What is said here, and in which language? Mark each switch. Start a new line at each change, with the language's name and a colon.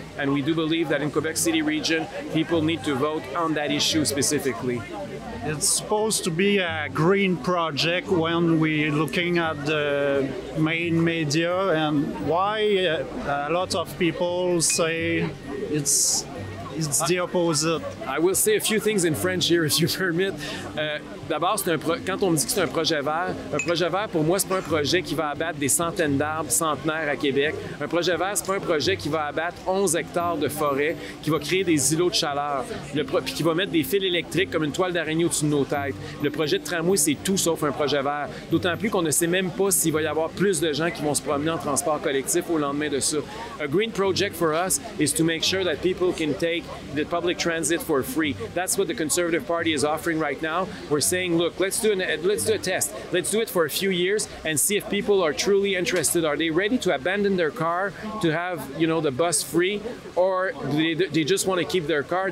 English: And we do believe that in Quebec City region, people need to vote on that issue specifically. It's supposed to be a green project when we're looking at the main media. And why a lot of people say it's the opposite? I will say a few things in French here, if you permit.
French: D'abord, quand on me dit que c'est un projet vert, pour moi, c'est pas un projet qui va abattre des centaines d'arbres centenaires à Québec. Un projet vert, c'est pas un projet qui va abattre 11 hectares de forêt, qui va créer des îlots de chaleur, puis qui va mettre des fils électriques comme une toile d'araignée au-dessus de nos têtes. Le projet de tramway, c'est tout sauf un projet vert. D'autant plus qu'on ne sait même pas s'il va y avoir plus de gens qui vont se promener en transport collectif au lendemain de ça.
English: A green project for us is to make sure that people can take the public transit for free. That's what the Conservative Party is offering right now. Saying, look, let's do a test. Let's do it for a few years and see if people are truly interested. Are they ready to abandon their car to have, you know, the bus free, or do they just want to keep their car?